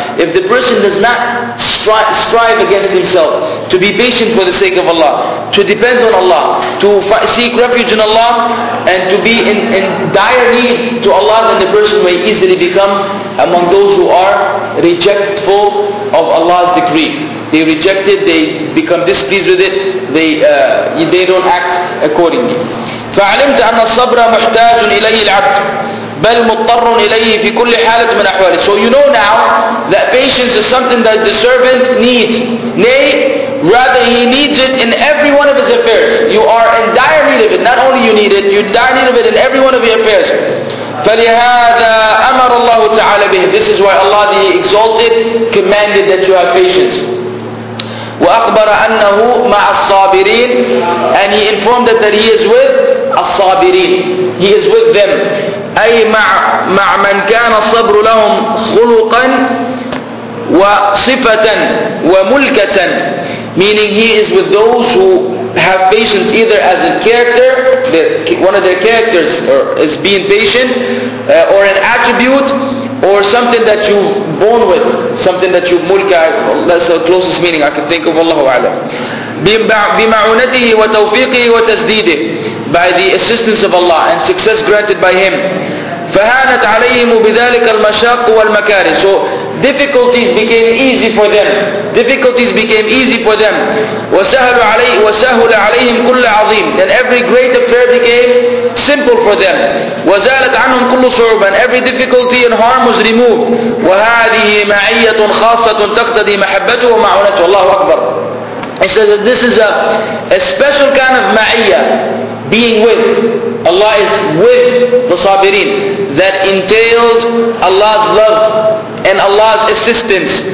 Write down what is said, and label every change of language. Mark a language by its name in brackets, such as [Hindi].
[English] If the person does not strive against himself to be patient for the sake of Allah, to depend on Allah, to seek refuge in Allah, and to be in dire need to Allah, then the person may easily become among those who are rejectful of Allah's decree. They reject it, they become displeased with it, they don't act accordingly. [Arabic] فعلمت أن الصبر محتاج إليه العبد بل مضطر إليه في كل حالة من أحواله. [English] So you know now that patience is something that the servant needs. Nay, rather he needs it in every one of his affairs. You are in dire need of it. Not only you need it, you're in dire need of it in every one of your affairs. [Arabic] فلهذا أمر الله تعالى به. [English] This is why Allah the Exalted commanded that you have patience. [Arabic] وأخبر أنه مع الصابرين. [English] And he informed that he is with الصابرين. He is with them. [Arabic] أي مع من كان الصبر لهم خلقا وصفة وملكة. [English] Meaning he is with those who have patience either as a character, one of their characters is being patient, or an attribute, or something that you've born with, something that you've mulka. That's the closest meaning I can think of. Allahu a'lam. [Arabic] بمعونته وتوفيقه وتسديده. [English] By the assistance of Allah and success granted by him. [Arabic] فهانت عليهم بذلك المشاق والمكاره. [English] So difficulties became easy for them. Difficulties became easy for them. [Arabic] وسهل عليهم كل عظيم. [English] And every great affair became simple for them. [Arabic] وزالت عنهم كل صعوبة. [English] And every difficulty and harm was removed. [Arabic] وهذه معية خاصة تقتضي محبته ومعونته. الله أكبر. [English] He says that this is a special kind of ma'iyah, being with. Allah is with the sabirin. That entails Allah's love and Allah's assistance.